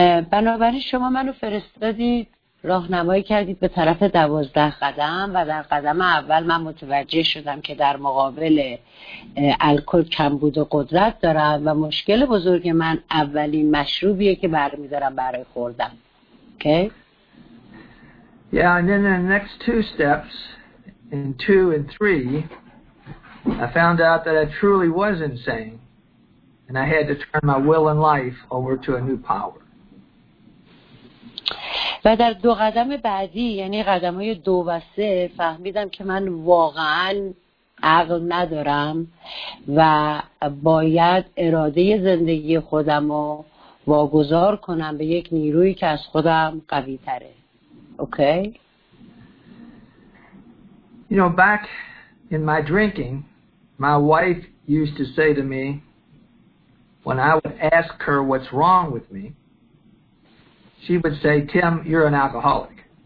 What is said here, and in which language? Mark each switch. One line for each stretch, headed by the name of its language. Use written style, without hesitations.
Persian: بنابراین شما منو فرستادید، راهنمایی کردید به طرف 12 قدم و در قدم اول من متوجه شدم که در مقابل الکل کمبود و قدرت دارم و مشکل بزرگ من اولین مشروبیه که برمیدارم برای خوردن.
English: Okay? Yeah, and then the next two steps in 2 and 3 I found out that I truly was insane. And I had to turn my will and life over to a new power.
Persian: و در دو قدم بعدی، یعنی قدم‌های دو و سه، فهمیدم که من واقعاً عقل ندارم و باید اراده زندگی خودم رو واگذار کنم به یک نیرویی که از خودم قوی تره.
English: Okay? You know, back in my drinking, my wife used to say to me, when I would ask her what's wrong with me, she would say, Tim, you're an alcoholic.